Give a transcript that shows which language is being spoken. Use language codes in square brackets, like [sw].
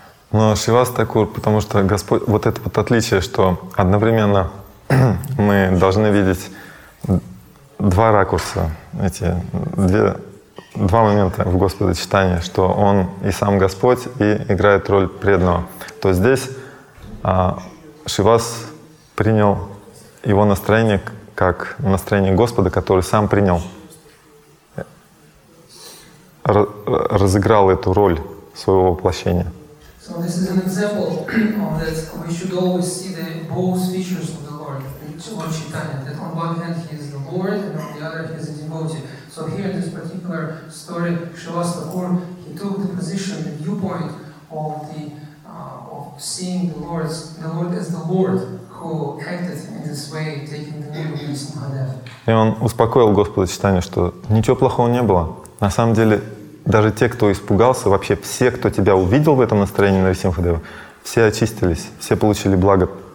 [ru] Но Шивас Такур, потому что Господь, вот это вот отличие, что одновременно мы должны видеть два ракурса, эти два момента в Господа Чайтанья, что Он и сам Господь, и играет роль преданного. То здесь Шивас принял его настроение как настроение Господа, который сам принял, разыграл эту роль своего воплощения. [en] So this is an example that we should always see the both features of the Lord, the Lord Chaitanya, that on one hand He is the Lord, and on the other He is a devotee. So here in this particular story, Shivas Thakur, He took the position, the viewpoint of the of seeing the Lord as the Lord, who acted in this way, taking the name of Vishnu Mahadev. [ru] И он успокоил Господа Чайтанью, что ничего плохого не было. На самом деле, даже те, кто испугался, вообще все, кто тебя увидел в этом настроении Нарисимхадева, все очистились, все получили благо.